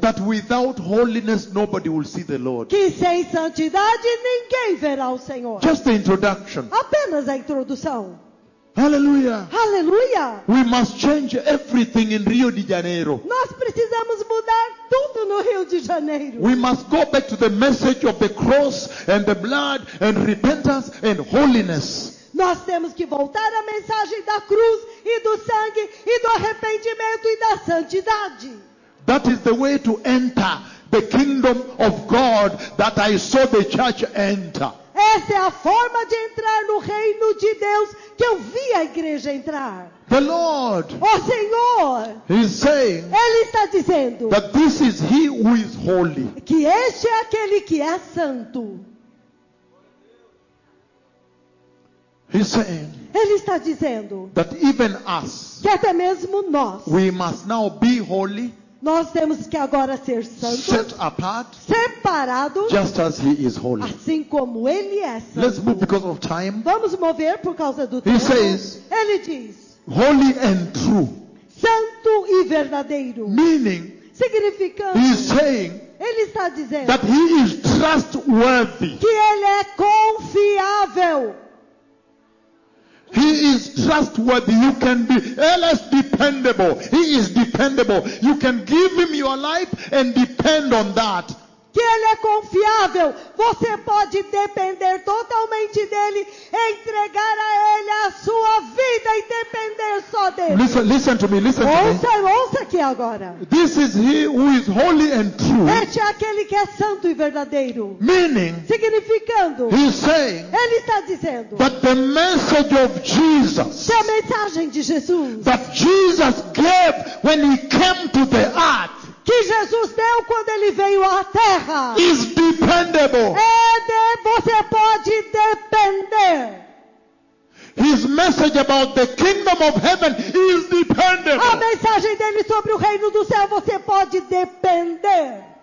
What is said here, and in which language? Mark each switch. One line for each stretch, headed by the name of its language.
English: That without holiness nobody will see the Lord.
Portuguese: Que sem santidade ninguém verá o Senhor.
English: Just the introduction.
Portuguese: Apenas a introdução. Hallelujah. Hallelujah.
English: We must change everything in Rio de Janeiro.
Portuguese: Nós precisamos mudar tudo no Rio de Janeiro.
English: We must go back to the message of the cross and the blood and repentance and holiness.
Portuguese: Nós temos que voltar à mensagem da cruz e do sangue e do arrependimento e da santidade.
English: That is the way to enter the kingdom of God that I saw the church enter.
Portuguese: Essa é a forma de entrar no reino de Deus que eu vi a igreja entrar.
English: The Lord.
Portuguese: O Senhor.
English: He's saying.
Portuguese: Ele está dizendo.
English: That this is he who is holy.
Portuguese: Que este é aquele que é santo.
English: He's saying.
Portuguese: Ele está dizendo.
English: That even us.
Portuguese: Que até mesmo nós.
English: We must now be holy.
Portuguese: Nós temos que agora ser santos.
English: Set apart.
Portuguese: Separado.
English: Just as he is holy.
Portuguese: Assim como ele é santo.
English: Let's move because of time.
Portuguese: Vamos mover por causa do
English: he
Portuguese: tempo.
English: He says.
Portuguese: Ele diz.
English: Holy and true.
Portuguese: Santo e verdadeiro.
English: Meaning.
Portuguese: Significando.
English: He is saying.
Portuguese: Ele está dizendo.
English: That he is trustworthy.
Portuguese: Que ele é confiável.
English: He is trustworthy. You can be less dependable. He is dependable. You can give him your life and depend on that.
Portuguese: Que ele é confiável. Você pode depender totalmente dele, entregar a ele a sua vida e depender só dele.
English: Listen to me.
Portuguese: Ouça aqui agora.
English: This is he who is holy and true.
Portuguese: Este é aquele que é santo e verdadeiro.
English: Meaning.
Portuguese: Significando.
English: He's saying.
Portuguese: Ele está dizendo.
English: That the message of Jesus.
Portuguese: Que a mensagem de Jesus.
English: That Jesus gave when he came to the earth.
Portuguese: Que Jesus deu quando ele veio à terra.
English: Is dependable.
Portuguese: É de, você pode depender.
English: His message about the kingdom of heaven is dependable.
Portuguese: A mensagem dele sobre o reino do céu, você pode depender.